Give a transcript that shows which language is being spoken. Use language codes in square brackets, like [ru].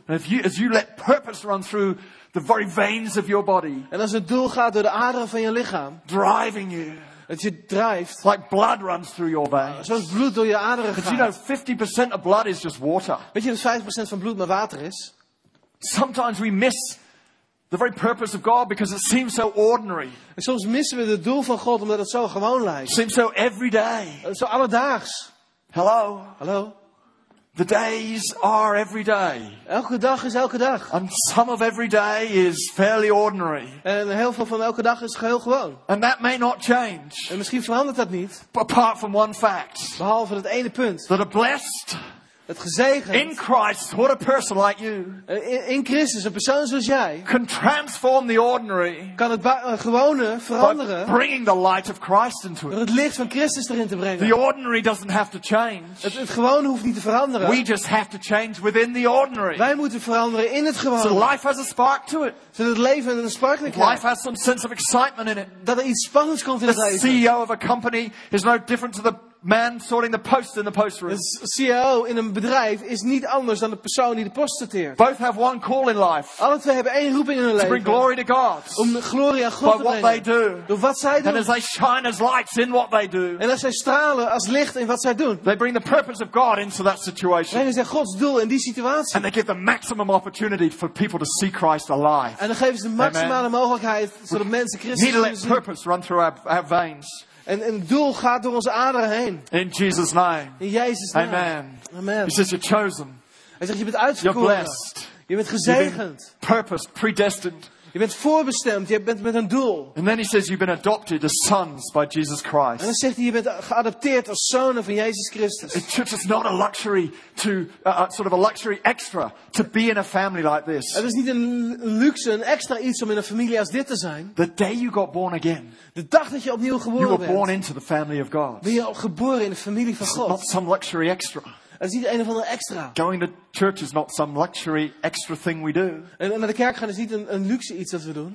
[en] And as you let purpose run through the very veins of your body. [nl] En als het doel gaat door de aderen van je lichaam. [en] Driving you. [nl] Dat je drijft. [en] Like blood runs through your veins. [nl] Zoals bloed door je aderen gaat. [en] But you know, 50% of blood is just water. [nl] Weet je dat 50% van bloed maar water is? [en] Sometimes we miss the very purpose of God because it seems so ordinary. [nl] En soms missen we het doel van God omdat het zo gewoon lijkt. [en] It seems so everyday. [nl] Zo alledaags. [en] Hello. [nl] Hallo. [en] The days are every day. [nl] Elke dag is elke dag. [en] And some of every day is fairly ordinary. [nl] En heel veel van elke dag is geheel gewoon. [en] And that may not change. [nl] En misschien verandert dat niet. [en] Apart from one fact. [nl] Behalve dat ene punt. [en] That are blessed. [nl] Het gezegend. [en] In Christ, what a person like you. [nl] In Christus, een persoon zoals jij. [en] Can transform the ordinary. [nl] Kan het gewone veranderen. [en] By bringing the light of Christ into it. [nl] Het licht van Christus erin te brengen. [en] The ordinary doesn't have to change. [nl] Het gewone hoeft niet te veranderen. [en] We just have to change within the ordinary. [nl] Wij moeten veranderen in het gewone. [en] So life has a spark to it. [nl] Zodat het leven een spark krijgt. [en] Life has some sense of excitement in it. [nl] Dat er iets spannends komt in [en] the [nl] het leven. [en] The CEO of a company is no different to the man sorting the post in the post room. [nl] De CEO in een bedrijf is niet anders dan de persoon die de post sorteert. [en] Both have one call in life. [nl] Alle twee hebben één roeping in hun leven. [en] To bring glory to God. [nl] Om glorie aan God te brengen. [en] By what they do. [nl] Door wat zij doen. [en] And as they shine as lights in what they do. [nl] En als zij stralen als licht in wat zij doen. [en] They bring the purpose of God into that situation. [nl] Brengen zij Gods doel in die situatie. [en] And they give the maximum opportunity for people to see Christ alive. [nl] En dan geven ze de maximale mogelijkheid zodat mensen Christus zien. [en] We need to let purpose run through our veins. [nl] En een doel gaat door onze aderen heen. [en] In Jesus name. [nl] In Jezus naam. [en] Amen. [nl] Amen. [en] He says you're chosen. [nl] Hij zegt je bent uitverkoren. [en] You're blessed. [nl] Je bent gezegend. [en] Purpose, predestined. [nl] Je bent voorbestemd. Je bent met een doel. [en] And then he says you've been adopted as sons by Jesus Christ. [nl] En dan zegt hij je bent geadopteerd als zonen van Jezus Christus. [en] It's just not a luxury to sort of a luxury extra to be in a family like this. [nl] Het is niet een luxe, een extra iets om in een familie als dit te zijn. [en] The day you got born again. [nl] De dag dat je opnieuw geboren bent. [en] You were born into the family of God. [nl] Ben je geboren in de familie van God. [en] Not some luxury extra. [nl] Het is niet een of ander extra. [en] Going to church is not some luxury extra thing we do. [nl] En naar de kerk gaan is niet een luxe iets dat we doen.